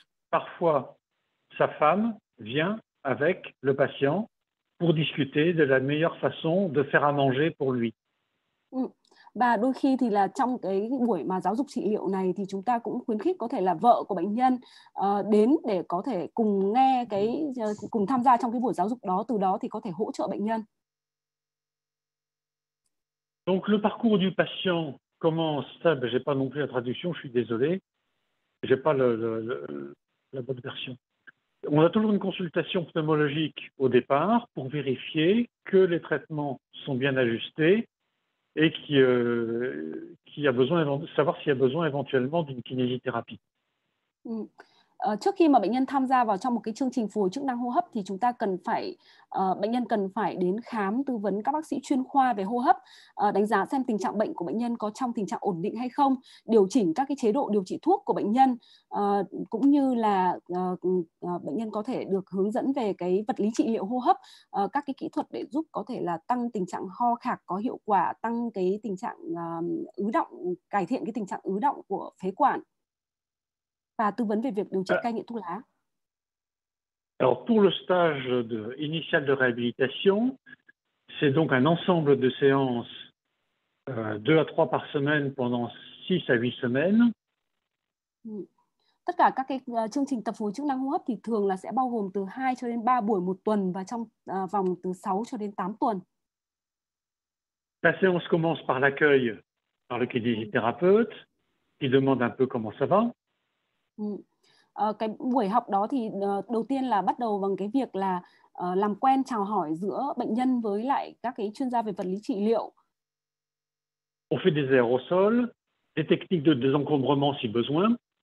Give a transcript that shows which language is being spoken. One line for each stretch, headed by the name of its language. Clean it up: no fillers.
French: Parfois, sa femme vient avec le patient pour discuter de la meilleure façon de faire à manger pour lui.
Vietnamese: Và đôi khi thì là trong cái buổi mà giáo dục trị liệu này thì chúng ta cũng khuyến khích có thể là vợ của bệnh nhân đến để có thể cùng nghe cái cùng tham gia trong cái buổi giáo dục đó, từ đó thì có thể hỗ trợ bệnh nhân.
French: Donc le parcours du patient commence, ça, ben, j'ai pas non plus la traduction, je suis désolé. J'ai pas la bonne version. On a toujours une consultation pneumologique au départ pour vérifier que les traitements sont bien ajustés et qui a besoin de savoir s'il y a besoin éventuellement d'une kinésithérapie.
Vietnamese: Trước khi mà bệnh nhân tham gia vào trong một cái chương trình phục hồi chức năng hô hấp thì chúng ta cần phải bệnh nhân cần phải đến khám tư vấn các bác sĩ chuyên khoa về hô hấp, đánh giá xem tình trạng bệnh của bệnh nhân có trong tình trạng ổn định hay không, điều chỉnh các cái chế độ điều trị thuốc của bệnh nhân, cũng như là bệnh nhân có thể được hướng dẫn về cái vật lý trị liệu hô hấp, các cái kỹ thuật để giúp có thể là tăng tình trạng ho khạc có hiệu quả, tăng cái tình trạng ứ động, cải thiện cái tình trạng ứ động của phế quản, và tư vấn về việc điều trị cai nghiện thuốc lá.
French: Alors pour le stage de, initial de réhabilitation, c'est donc un ensemble de séances deux à trois par semaine pendant 6 à 8 semaines.
Vietnamese: Tất cả các cái chương trình tập phục chức năng hô hấp thì thường là sẽ bao gồm từ 2 cho đến 3 buổi một tuần và trong vòng từ 6 cho đến 8 tuần.
French: La séance commence par l'accueil par le kinésithérapeute qui demande un peu comment ça va.
Vietnamese: Cái buổi học đó thì đầu tiên là bắt đầu bằng cái việc là làm quen chào hỏi giữa bệnh nhân với lại các cái chuyên gia về vật lý trị liệu.
French: On fait des aérosols, des techniques de désencombrement si besoin.